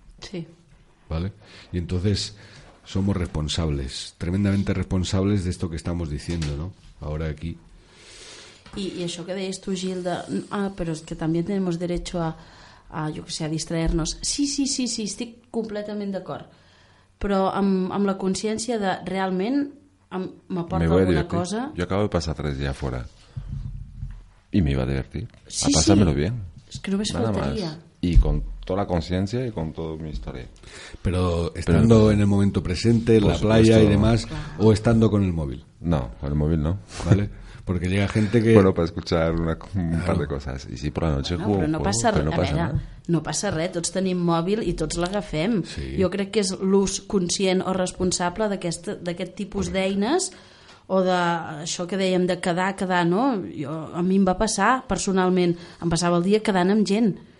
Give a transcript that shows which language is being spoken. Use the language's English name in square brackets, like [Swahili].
[Spanish] Sí. ¿Vale? Y entonces somos responsables, tremendamente responsables de esto que estamos diciendo, ¿no? Ahora aquí. Y eso que deis tú, Gilda, pero es que también tenemos derecho a yo que sé, a distraernos. [Catalan] Sí, estic completament d'acord. Però amb la consciència de realment m'aporta alguna cosa... Jo acabo de passar 3 dies fora. I m'hi va divertir. Sí, a passar-me-lo bé. És que només faltaria. [Spanish] I con toda la conciencia y con toda mi historia. Pero estando en el momento presente, en la playa y demás, o estando con el móvil. No, con el móvil no. ¿Vale? Porque llega gente que... Bueno, para escuchar par de cosas. Y sí, por la noche juego. [Catalan] Pero no pasa res. No pasa res. Tots tenim mòbil i tots l'agafem. Sí. Jo crec que és l'ús conscient o responsable d'aquest tipus d'eines o d'això que dèiem de quedar, no? Jo, a mi em va passar personalment. Em passava el dia quedant amb gent.